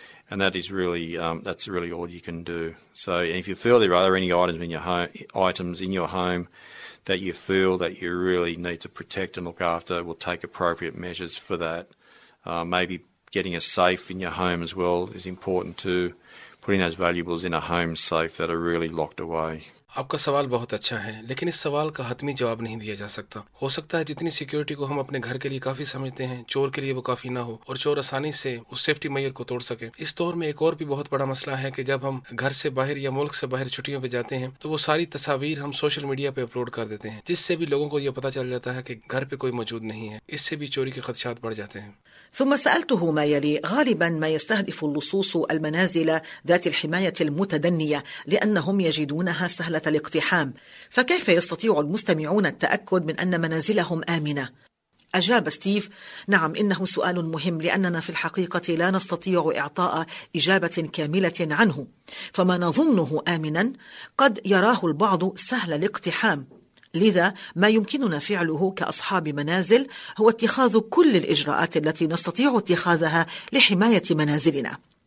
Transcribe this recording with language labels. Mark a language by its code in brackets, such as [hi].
[en] And that is really that's really all you can do. So if you feel there are any items in your home that you feel that you really need to protect and look after, we'll take appropriate measures for that. Maybe getting a safe in your home as well is important too, putting those valuables in a home safe that are really locked away. [ur] آپ کا سوال بہت اچھا ہے لیکن اس سوال کا حتمی جواب نہیں دیا جا سکتا. ہو سکتا ہے جتنی سیکیورٹی کو ہم اپنے گھر کے لیے کافی سمجھتے ہیں چور کے لیے وہ کافی نہ ہو اور چور آسانی سے اس سیفٹی میئر کو توڑ سکے. اس دور میں ایک اور بھی بہت بڑا مسئلہ ہے کہ جب ہم گھر سے باہر یا ملک سے باہر چھٹیوں پہ جاتے ہیں تو وہ ساری تصاویر ہم سوشل میڈیا پہ اپلوڈ کر دیتے ہیں جس سے بھی لوگوں کو یہ پتا چل جاتا ہے کہ گھر پہ کوئی موجود نہیں ہے. اس سے بھی چوری کے خدشات بڑھ جاتے ہیں. [ar] ثم سألته ما يلي: غالبا ما يستهدف اللصوص المنازل ذات الحماية المتدنية لأنهم يجدونها سهلة الاقتحام، فكيف يستطيع المستمعون التأكد من أن منازلهم آمنة؟ أجاب ستيف: نعم، إنه سؤال مهم لأننا في الحقيقة لا نستطيع إعطاء إجابة كاملة عنه، فما نظنه آمنا قد يراه البعض سهل الاقتحام، لذا ما يمكننا فعله كأصحاب منازل هو اتخاذ كل الإجراءات التي نستطيع اتخاذها لحماية منازلنا.